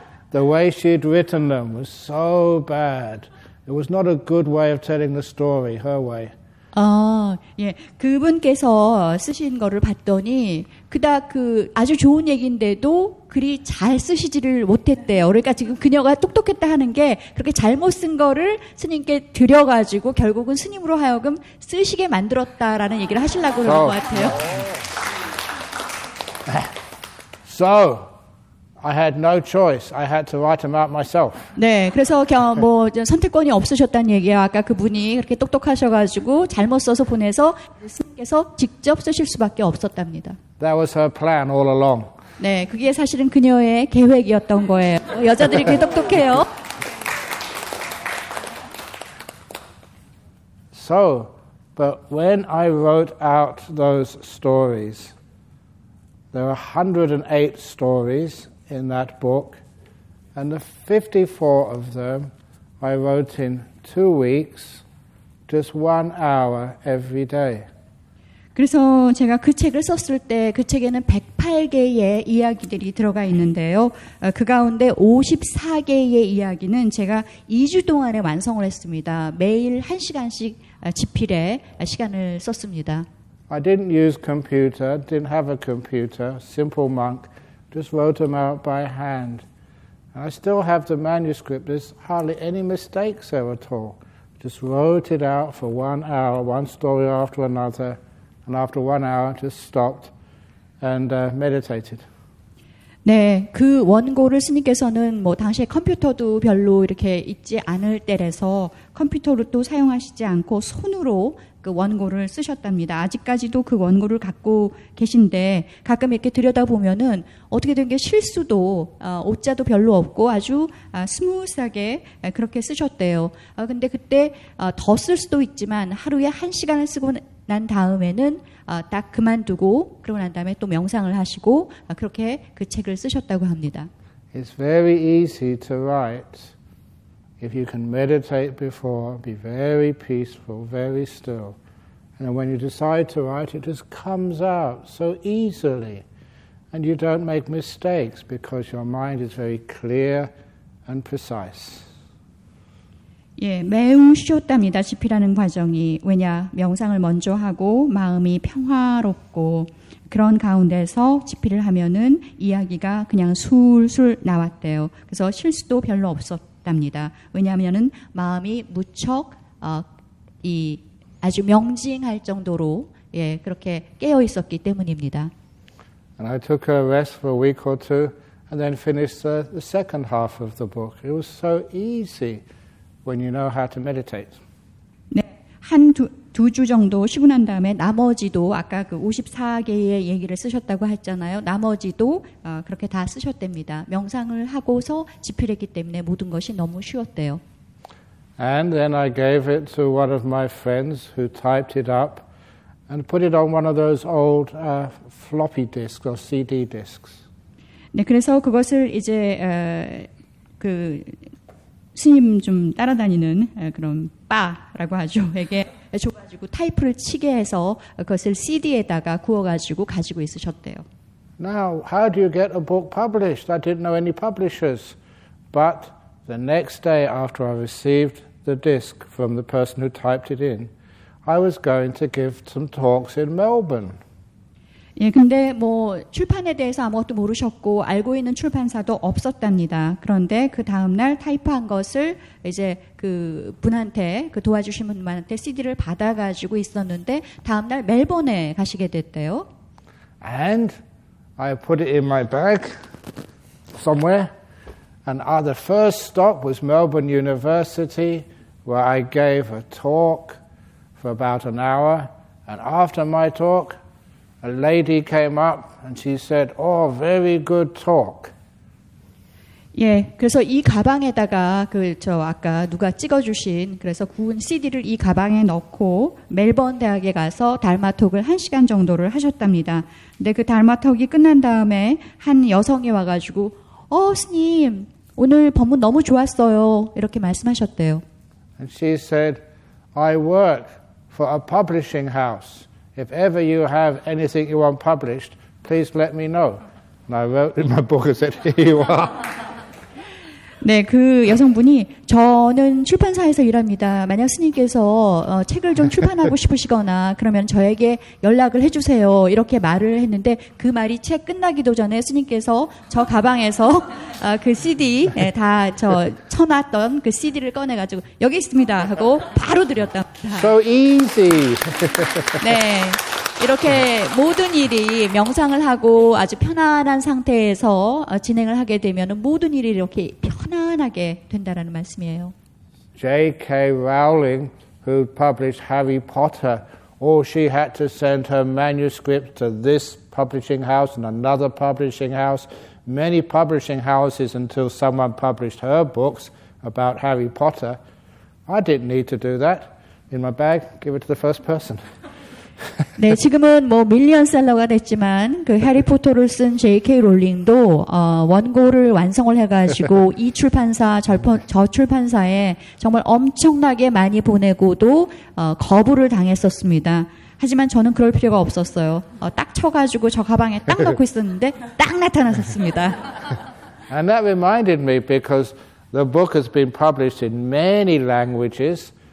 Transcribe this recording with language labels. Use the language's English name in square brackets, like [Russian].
[English] The way she'd written them was so bad. It was not a good way of telling the story, her way. [Korean] 예. 그분께서 쓰신 거를 봤더니 그닥 그 아주 좋은 얘긴데도 그리 잘 쓰시지를 못했대요. 그러니까 지금 그녀가 똑똑했다 하는 게 그렇게 잘못 쓴 거를 스님께 드려가지고 결국은 스님으로 하여금 쓰시게 만들었다라는 얘기를 하시려고 그런 것 같아요. [English] So. I had no choice. I had to write them out myself. [Korean] 네, 그래서 뭐 선택권이 없으셨다는 얘기예요. 아까 그분이 그렇게 똑똑하셔가지고 잘못 써서 보내서 스님께서 직접 쓰실 수밖에 없었답니다. [English] That was her plan all along. [Korean] 네, 그게 사실은 그녀의 계획이었던 거예요. 여자들이 그렇게 똑똑해요. [English] so, but when I wrote out those stories, there are 108 stories in that book, and the 54 of them I wrote in 2 weeks, just 1 hour every day. [Korean] 그래서 제가 그 책을 썼을 때 그 책에는 108개의 이야기들이 들어가 있는데요. 그 가운데 54개의 이야기는 제가 2주 동안에 완성을 했습니다. 매일 1시간씩 집필에 시간을 썼습니다. [English] I didn't use computer, didn't have a computer, simple monk, just wrote them out by hand. And I still have the manuscript, there's hardly any mistakes there at all. Just wrote it out for 1 hour, one story after another, and after 1 hour, just stopped and meditated. [Korean] 네, 그 원고를 스님께서는 뭐 당시에 컴퓨터도 별로 이렇게 있지 않을 때라서 컴퓨터를 또 사용하시지 않고 손으로 그 원고를 쓰셨답니다. 아직까지도 그 원고를 갖고 계신데 가끔 이렇게 들여다보면은 어떻게 된 게 실수도 오자도 별로 없고 아주 스무스하게 그렇게 쓰셨대요. 근데 그때 더 쓸 수도 있지만 하루에 한 시간을 쓰고 난 다음에는 딱 그만두고 그러고 난 다음에 또 명상을 하시고 그렇게 그 책을 쓰셨다고 합니다. [English] It's very easy to write. If you can meditate before, be very peaceful, very still. And when you decide to write, it just comes out so easily. And you don't make mistakes because your mind is very clear and precise. [Korean] 예, 매우 쉬웠답니다. 집필하는 과정이. 왜냐, 명상을 먼저 하고 마음이 평화롭고 그런 가운데서 집필을 하면은 이야기가 그냥 술술 나왔대요. 그래서 실수도 별로 없었고 합니다. 왜냐하면은 마음이 무척 이 아주 명징할 정도로 예 그렇게 깨어 있었기 때문입니다. [English] And I took a rest for a week or two, and then finished the second half of the book. It was so easy when you know how to meditate. [Korean] 네, 한두 주 정도 쉬고 난 다음에 나머지도 아까 그 54개의 얘기를 쓰셨다고 했잖아요. 나머지도 그렇게 다 쓰셨답니다. 명상을 하고서 집필했기 때문에 모든 것이 너무 쉬웠대요. [English] And then I gave it to one of my friends who typed it up and put it on one of those old floppy disks or CD disks. [Korean] 네, 그래서 그것을 이제 그 스님 좀 따라다니는 그런 빠라고 하죠. 에게 줘가지고 타이프를 치게 해서 그것을 CD에다가 구워가지고 가지고 있으셨대요. [English] Now, how do you get a book published? I didn't know any publishers. But the next day after I received the disc from the person who typed it in, I was going to give some talks in Melbourne. [Korean] 예, 근데 뭐 출판에 대해서 아무것도 모르셨고 알고 있는 출판사도 없었답니다. 그런데 그 다음 날 타이프한 것을 이제 그 분한테 그 도와주신 분한테 CD를 받아가지고 있었는데 다음 날 멜번에 가시게 됐대요. [English] And I put it in my bag somewhere, and the first stop was Melbourne University, where I gave a talk for about an hour. And after my talk, a lady came up and she said, "Oh, very good talk." [Korean] 예, 그래서 이 가방에다가 그 저 아까 누가 찍어주신 그래서 구운 CD를 이 가방에 넣고 멜번 대학에 가서 달마톡을 한 시간 정도를 하셨답니다. 근데 그 달마톡이 끝난 다음에 한 여성이 와가지고, "어, 스님, 오늘 법문 너무 좋았어요." 이렇게 말씀하셨대요. [English] And she said, "I work for a publishing house. If ever you have anything you want published, please let me know." And I wrote in my book and said, "Here you are." [Korean] 네, 그 여성분이 저는 출판사에서 일합니다. 만약 스님께서 책을 좀 출판하고 싶으시거나 그러면 저에게 연락을 해주세요. 이렇게 말을 했는데 그 말이 책 끝나기도 전에 스님께서 저 가방에서 그 CD 네, 다 저 쳐놨던 그 CD를 꺼내가지고 여기 있습니다 하고 바로 드렸답니다. [English] So easy. [Korean] 네. 이렇게 모든 일이 명상을 하고 아주 편안한 상태에서 진행을 하게 되면 모든 일이 이렇게 편안하게 된다라는 말씀이에요. [English] J.K. Rowling, who published Harry Potter, all she had to send her manuscript to this publishing house and another publishing house, many publishing houses until someone published her books about Harry Potter. I didn't need to do that. in my bag, give it to the first person. [Korean] 네, 지금은 뭐 밀리언 셀러가 됐지만 그 해리포터를 쓴 J.K. 롤링도 원고를 완성을 해가지고 이 출판사 저 출판사에 정말 엄청나게 많이 보내고도 거부를 당했었습니다. 하지만 저는 그럴 필요가 없었어요. 딱 쳐가지고 저 가방에 딱 넣고 있었는데 딱 나타났었습니다. [English] And that reminded me because the book has been published in many languages.